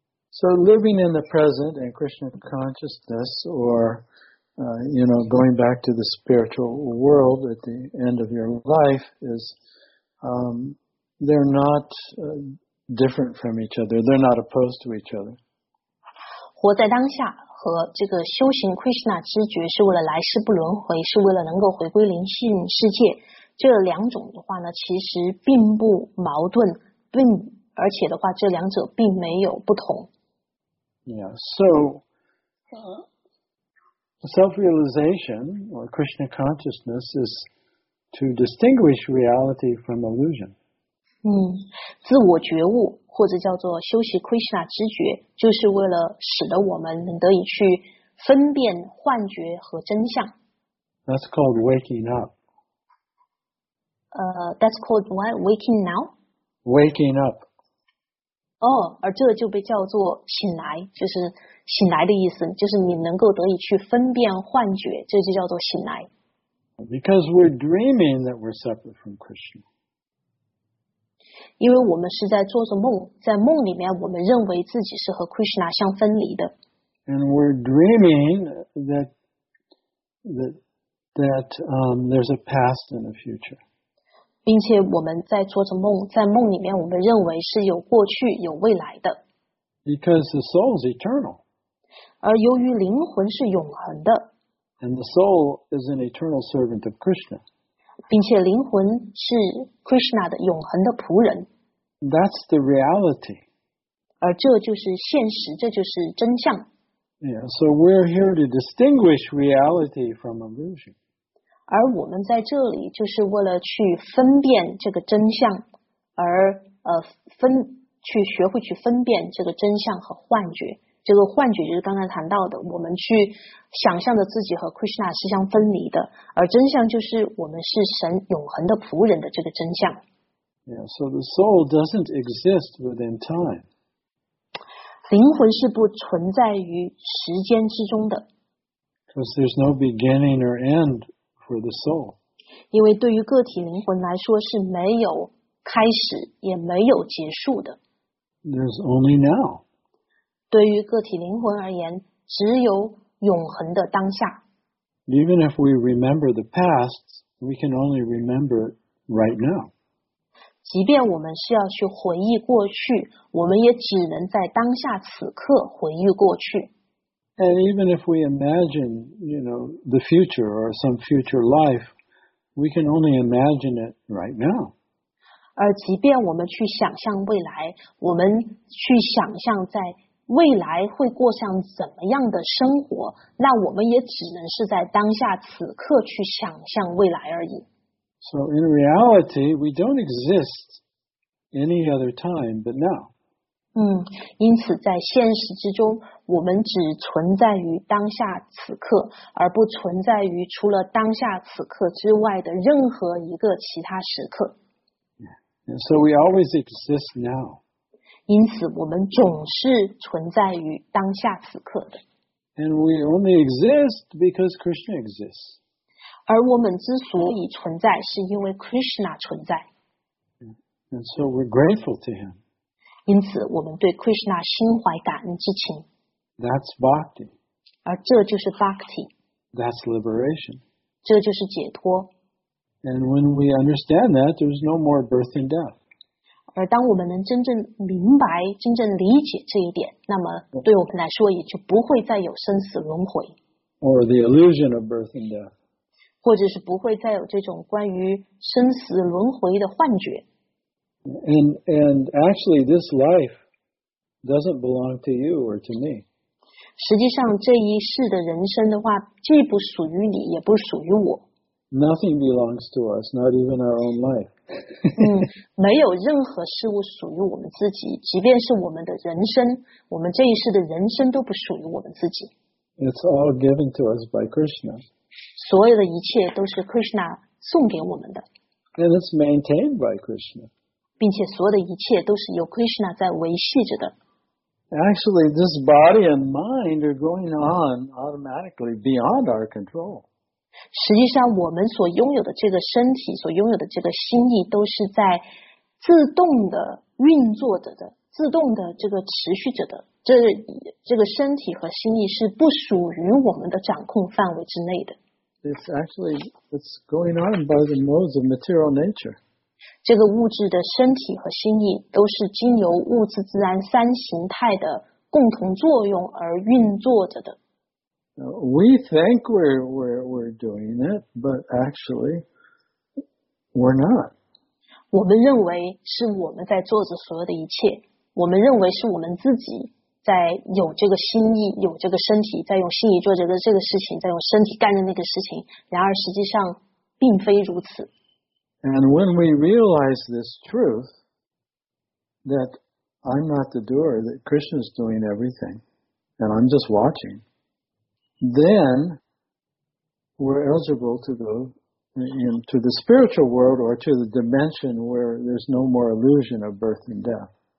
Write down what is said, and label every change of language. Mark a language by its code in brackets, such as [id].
[en] So living in the present and Krishna consciousness or... going back to the spiritual world at the end of your life is, they're not different from each other. They're not opposed to each other. [zh] 活在当下和这个修行 Krishna 知觉是为了来世不轮回，是为了能够回归灵性世界。这两种的话呢，其实并不矛盾，并而且的话，这两者并没有不同。 [en] Yeah, so... Self-realization, or Krishna consciousness, is to distinguish reality from illusion. [zh] 自我觉悟或者叫做修习 Krishna 知觉，就是为了使得我们能得以去分辨幻觉和真相。 [en] That's called waking up. That's called what? Waking now? Waking up. [zh] 而这就被叫做醒来，就是。醒来的意思就是你能够得以去分辨幻觉，这就叫做醒来。 [en] Because we're dreaming that we're separate from Krishna. [zh] 因为我们是在做着梦，在梦里面我们认为自己是和 Krishna 相分离的。 [en] And we're dreaming that there's a past and a future. [zh] 并且我们在做着梦，在梦里面我们认为是有过去有未来的。 [en] Because the soul is eternal. [zh] 而由于灵魂是永恒的 [en] And the soul is an eternal servant of Krishna. [zh] 并且灵魂是 Krishna 的永恒的仆人 [en] That's the reality. [zh] 而这就是现实，这就是真相 [en] Yeah, so we're here to distinguish reality from illusion. [zh] 而我们在这里就是为了去分辨这个真相而去学会去分辨这个真相和幻觉这个幻觉就是刚才谈到的，我们去想象的自己和 Krishna 是相分离的，而真相就是我们是神永恒的仆人的这个真相。 [en] Yeah, so the soul doesn't exist within time. [zh] 灵魂是不存在于时间之中的。 [en] Because there's no beginning or end for the soul. [zh] 因为对于个体灵魂来说是没有开始也没有结束的。 [en] There's only now. [zh] 对于个体灵魂而言，只有永恒的当下。 [en] Even if we remember the past, we can only remember right now. [zh] 即便我们是要去回忆过去，我们也只能在当下此刻回忆过去。 [en] And even if we imagine, you know, the future or some future life, we can only imagine it right now. [zh] 而即便我们去想象未来，我们去想象在。未来会过上怎么样的生活？那我们也只能是在当下此刻去想象未来而已。 [en] So in reality, we don't exist any other time but now. [zh] 因此在现实之中，我们只存在于当下此刻，而不存在于除了当下此刻之外的任何一个其他时刻。 [en] So we always exist now. [zh] 因此我们总是存在于当下此刻的。 [en] And we only exist because Krishna exists. [zh] 而我们之所以存在是因为 Krishna 存在。 [en] And so we're grateful to him. [zh] 因此我们对 Krishna 心怀感恩之情。 [en] That's bhakti. [zh] 而这就是 bhakti. [en] That's liberation. [zh] 这就是解脱。 [en] And when we understand that, there's no more birth and death. [zh] 而当我们能真正明白、真正理解这一点，那么对我们来说也就不会再有生死轮回。 [en] Or the illusion of birth and death. [zh] 或者是不会再有这种关于生死轮回的幻觉。 [en] And actually, this life doesn't belong to you or to me. [zh] 实际上，这一世的人生的话，既不属于你，也不属于我。 [en] Nothing belongs to us, not even our own life. [zh] 没有任何事物属于我们自己，即便是我们的人生，我们这一世的人生都不属于我们自己。 [en] It's all given to us by Krishna. [zh] 所有的一切都是 Krishna 送给我们的。 [en] And it's maintained by Krishna. [zh] 并且所有的一切都是由 Krishna 在维系着的。 [en] Actually, this body and mind are going on automatically beyond our control. [zh] 实际上我们所拥有的这个身体所拥有的这个心意都是在自动的运作着的自动的这个持续着的这个身体和心意是不属于我们的掌控范围之内的 [en] It's going on by the modes of material nature [zh] 这个物质的身体和心意都是经由物质自然三形态的共同作用而运作着的 [en] We think we're doing it, but actually, we're not. [zh] 我们认为是我们在做着所有的一切。我们认为是我们自己在有这个心意，有这个身体，在用心意做着这个事情，在用身体干着那个事情。然而实际上并非如此。 [en] And when we realize this truth, that I'm not the doer, that Krishna's doing everything, and I'm just watching, then we're eligible to go into the spiritual world or to the dimension where there's no more illusion of birth and death.